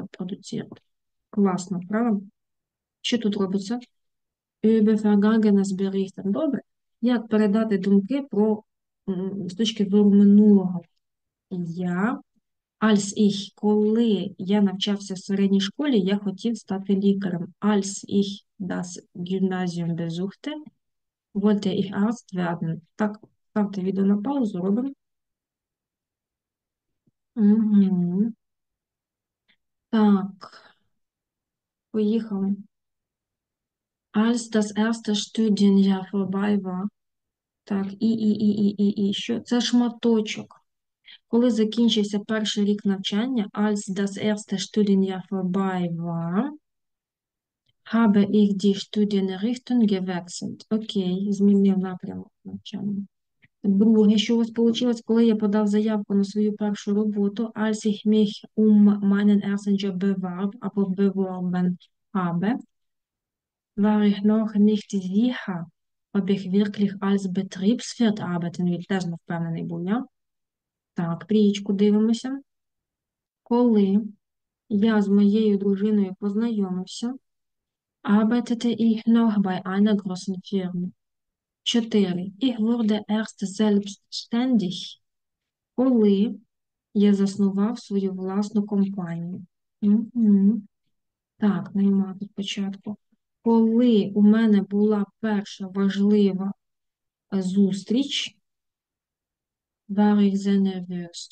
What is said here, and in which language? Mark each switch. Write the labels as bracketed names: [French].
[Ukrainian] Продуцірт. Класно, правда? Що тут робиться? [German] Über vergangenes berichten. [Ukrainian] Добре. Як передати думки про з точки зору минулого? Я, [German] als ich, [Ukrainian] коли я навчався в середній школі, я хотів стати лікарем. [German] Als ich das Gymnasium besuchte, wollte ich Arzt werden. [Ukrainian] Так, ставте відео на паузу, робимо. Так, поїхали. [German] Als das erste Studienjahr vorbei war. [Ukrainian] Так, і що? Це шматочок. Коли закінчився перший рік навчання, [German] als das erste Studienjahr vorbei war, habe ich die Studienrichtung gewechselt. [Ukrainian] Окей, змінив напрямок навчання. Друге, що у вас вийшло, коли я подав заявку на свою першу роботу, [German] als ich mich meinen ersten Job bewarb, [Ukrainian] або [German] beworben habe, war ich noch nicht sicher, ob ich wirklich als Betriebswirt arbeiten will. [Ukrainian] Теж не впевнений був, ja? Так, трієчку дивимося. Коли я з моєю дружиною познайомився, [German] arbeitete ich noch bei einer großen Firma. [Ukrainian] Чотири. [German] Ich wurde erst selbstständig, [Ukrainian] коли я заснував свою власну компанію. Так, наймати спочатку. Коли у мене була перша важлива зустріч, [German] war ich sehr nervös.